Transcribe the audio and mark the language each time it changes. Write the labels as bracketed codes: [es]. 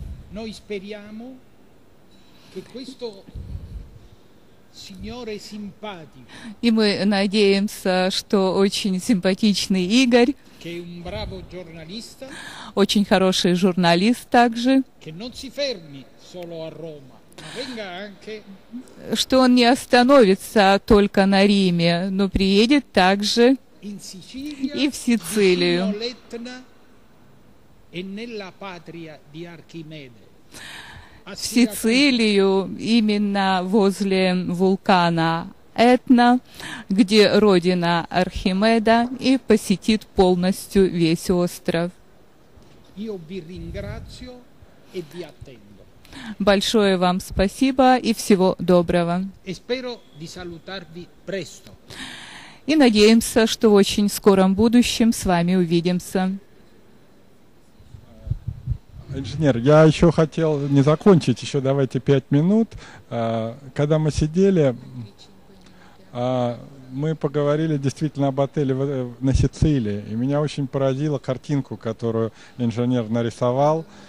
[it] Noi speriamo che questo signore simpatico. [ru] И мы надеемся, что очень симпатичный Игорь, [it] che è un bravo giornalista, [ru] очень хороший журналист также, [it] che non si fermi solo a Roma, ma venga anche, [ru] что он не остановится только на Риме, но приедет также [it] in Sicilia, [ru] и в Сицилию, [it] in Letna, e nella patria di Archimede. [ru] В Сицилию, именно возле вулкана Этна, где родина Архимеда, и посетит полностью весь остров. [it] Io vi ringrazio e vi attendo. [ru] Большое вам спасибо и всего доброго. [it] E spero di salutarvi presto. [ru] И надеемся, что в очень скором будущем с вами увидимся. Инженер, я еще хотел не закончить, еще давайте 5 минут. Когда мы сидели, мы поговорили действительно об отеле на Сицилии, и меня очень поразила картинку, которую инженер нарисовал.